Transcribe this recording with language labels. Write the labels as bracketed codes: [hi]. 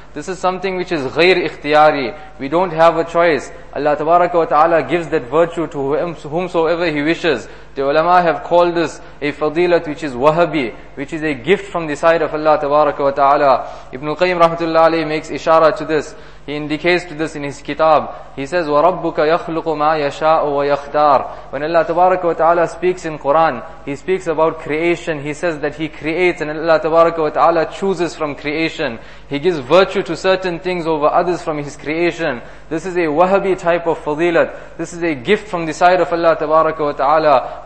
[en] This is something which is ghair ikhtiyari. We don't have a choice. Allah tabaraka wa ta'ala gives that virtue to whomsoever He wishes. The ulama have called this a fadilat which is wahabi, which is a gift from the side of Allah tabaraka wa ta'ala. Ibn Qayyim rahmatullah alayhi makes ishara to this. He indicates to this in his kitab. He says, [ar] وَرَبُّكَ يَخْلُقُ مَا يَشَاءُ وَيَخْتَارُ. [en] When Allah tabaraka wa ta'ala speaks in Quran, He speaks about creation. He says that He creates, and Allah tabaraka wa ta'ala chooses from creation. He gives virtue to certain things over others from His creation. This is a wahabi type of fadilat. This is a gift from the side of Allah tabaraka wa ta'ala.